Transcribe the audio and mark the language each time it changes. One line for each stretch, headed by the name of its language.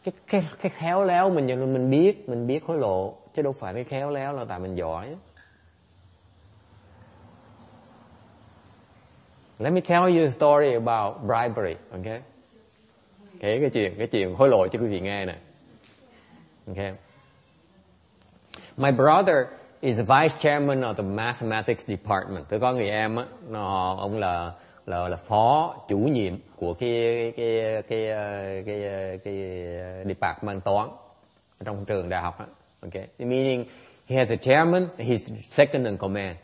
Vietnamese: Cái khéo léo mình biết hối lộ. Chứ đâu phải cái khéo léo là tại mình giỏi.
English: Let me tell you a story about bribery, okay?
Vietnamese: Kể cái chuyện hối lộ cho quý vị nghe nè.
English: Okay. My brother is vice chairman of the mathematics department.
Vietnamese: Tôi có người em á, ông là phó chủ nhiệm của cái department toán trong trường đại học á.
English: Okay, meaning he has a chairman, he's second in command.